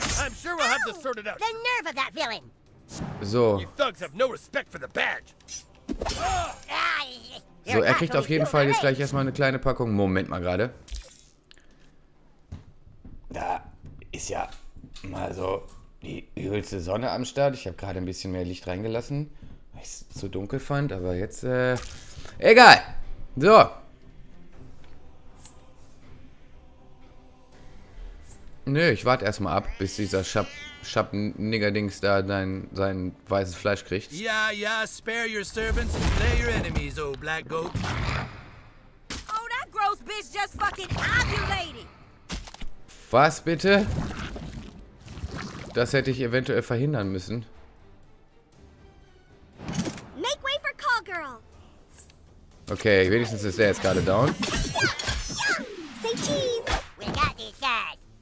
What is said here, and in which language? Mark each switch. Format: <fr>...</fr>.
<en>I'm sure we'll have this sorted out! The nerve of that villain! So. You thugs have no respect for the badge!</en> <de>So, er kriegt auf jeden Fall jetzt gleich erstmal eine kleine Packung. Moment mal gerade. Da ist ja mal so die übelste Sonne am Start. Ich habe gerade ein bisschen mehr Licht reingelassen, weil ich es zu dunkel fand. Aber jetzt, egal. So. Nö, ich warte erstmal ab, bis dieser Schappen-Nigger-Dings da sein weißes Fleisch kriegt.</de> <en>Ja, ja, spare your servants and slay your enemies, oh black goat. Oh, that gross bitch just fucking ovulated.</en> <de>Was bitte? Das hätte ich eventuell verhindern müssen.</de> <en>Make way for Call Girl.</en> <de>Okay, wenigstens ist er jetzt gerade down.</de> <en>Say cheese. We got this guy.</en>